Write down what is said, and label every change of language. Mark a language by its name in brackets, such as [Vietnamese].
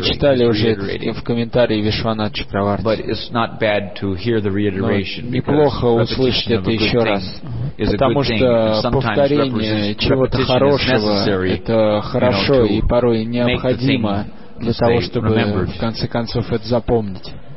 [Russian] Мы читали уже в комментарии Вишванат Чакраварти. [English] But it's not bad to hear the reiteration. [Russian] Неплохо услышать это еще раз, потому что повторение чего-то хорошего это хорошо и порой необходимо для того, чтобы в конце концов это запомнить.